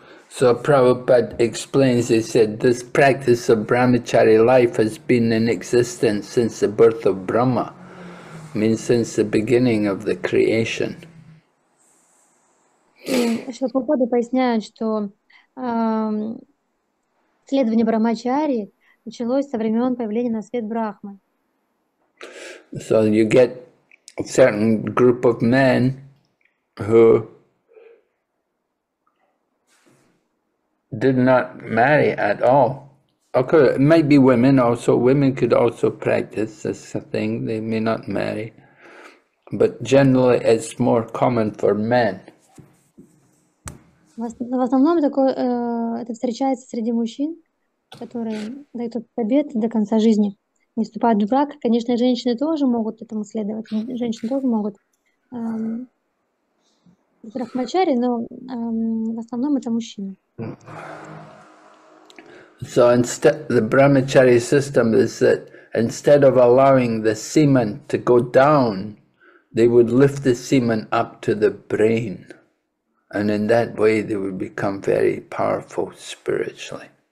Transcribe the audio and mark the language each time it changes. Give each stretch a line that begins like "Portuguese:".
English: So Prabhupada explains, he said, this practice of brahmachari life has been in existence since the birth of Brahma, means since the beginning of the creation.
Russian: Шрила Прабхупада поясняет, что следование брахмачари началось со времен появления на свет Брахмы.
English: So you get a certain group of men who did not marry at all. Okay, it might be women also. Women could also practice this thing. They may not marry. But generally, it's more common for men.
Russian: В основном такое, это встречается среди мужчин, которые дают обет до конца жизни. Не вступают в брак. Конечно, женщины тоже могут этому следовать. Женщины тоже могут... Брахмачари, но в основном это мужчины.
English: So instead, the brahmachari system is that instead of allowing the semen to go down, they would lift the semen up to the brain, and in that way they would become very powerful spiritually.